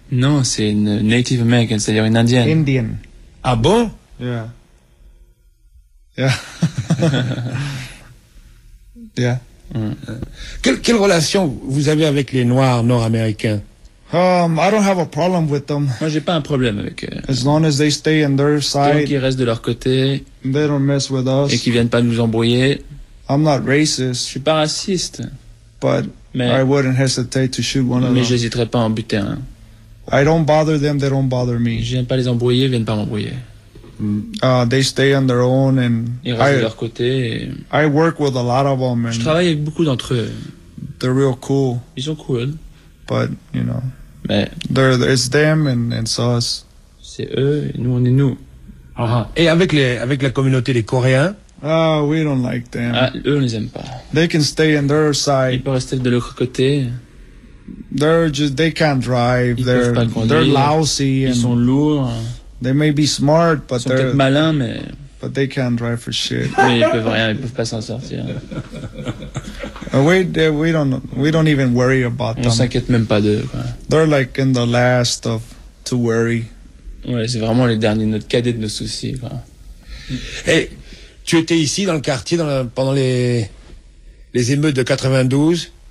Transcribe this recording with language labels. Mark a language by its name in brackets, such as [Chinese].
[French] Non, c'est une Native American, c'est-à-dire une Indienne. [English] Indian. [French] Ah bon? [English] Yeah. Yeah. Yeah. [French] Quelle relation vous avez avec les Noirs Nord-Américains? [English] I don't have a problem with them. [French] Moi, j'ai pas un problème avec eux. [English] As long as they stay on their side. [French] Tant qu'ils restent de leur côté. [English] They don't mess with us. [French] Et qu'ils viennent pas nous embrouiller. [English] I'm not racist. [French] Je suis pas raciste. [English] But I wouldn't hesitate to shoot one of them. [French] Mais j'hésiterais pas à en buter un. [English] I don't bother them, they don't bother me. [French] Je viens pas les embrouiller, ils viennent pas m'embrouiller. [English] They stay on their own and [French] ils restent de leur côté. [English] I work with a lot of them. [French] Je travaille avec beaucoup d'entre eux. [English] They're real cool. [French] Ils sont cool. [English] But, you know. [French] Mais [English] it's them and so us. [French] C'est eux et nous on est nous. Uh-huh. Et avec les avec la communauté des Coréens. [English] Ah, we don't like them. [French] Ah, eux on les aime pas. [English] They can stay on their side. [French] Ils peuvent rester de l'autre côté. [English] They can't drive. [French] Ils [English] they're [French] peuvent pas conduire. [English] They're lousy. [French] Ils [English] and [French] sont lourds. [English] They may be smart, but [French] ils sont peut-être malins, mais. [English] But they can't drive for shit. [French] Mais ils peuvent rien, ils peuvent pas s'en sortir. [English] We don't even worry about [French] on [English] them. [French] On s'inquiète même pas d'eux. Quoi. [English] They're like in the last of to worry. [French] Ouais, c'est vraiment les derniers, notre cadet de nos soucis. Quoi. Et tu étais ici dans le quartier dans la, pendant les émeutes de 92?